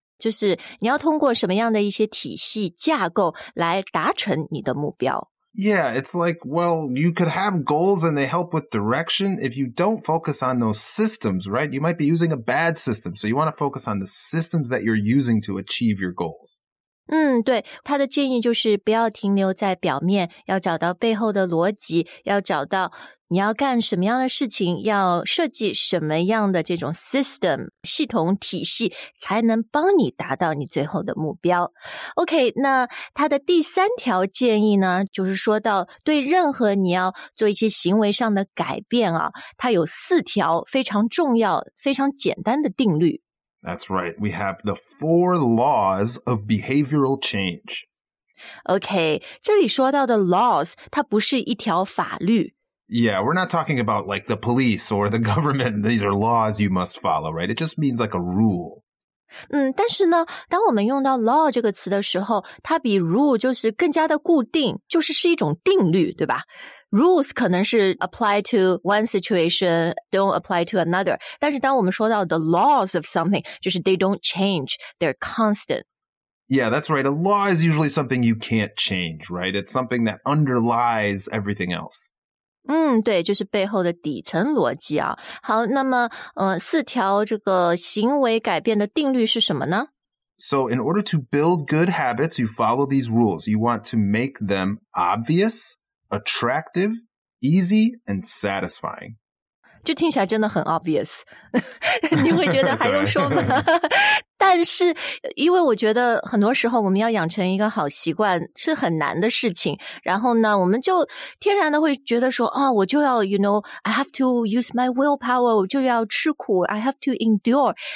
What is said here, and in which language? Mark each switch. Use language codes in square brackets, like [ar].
[zh] 就是你要通过什么样的一些体系架构来达成你的目标。 [en] Yeah, it's like, well, you could have goals and they help with direction. If you don't focus on those systems, right, you might be using a bad system. So you want to focus on the systems that you're using to achieve your goals. [zh] 对，他的建议就是不要停留在表面，要找到背后的逻辑，要找到你要干什么样的事情，要设计什么样的这种 system 系统体系，才能帮你达到你最后的目标。 OK， 那他的第三条建议呢，就是说到对任何你要做一些行为上的改变啊，他有四条非常重要非常简单的定律。 [en] That's right. We have the four laws of behavioral change. [zh] Okay, 这里说到的 laws, 它不是一条法律。 [en] Yeah, we're not talking about like the police or the government. These are laws you must follow, right? It just means like a rule. [zh] 但是呢，当我们用到 law 这个词的时候，它比 rule 就是更加的固定，就是是一种定律，对吧？ [en] Rules [zh] 可能是 [en] apply to one situation, don't apply to another. [zh] 但是当我们说到 [en] the laws of something, [zh] 就是 [en] they don't change, they're constant. Yeah, that's right. A law is usually something you can't change, right? It's something that underlies everything else. [zh] 对，就是背后的底层逻辑啊。好，那么四条这个行为改变的定律是什么呢？ [en] So in order to build good habits, you follow these rules. You want to make them obvious. Attractive, easy, and satisfying. [zh] 就听起来真的很 obvious. 你会觉得还用说吗？但是因为我觉得很多时候我们要养成一个好习惯是很难的事情，然后呢我们就天然的会觉得说，我就要 [en] you know, I have to use my willpower, [zh] 我就要吃苦， [en] I have to endure.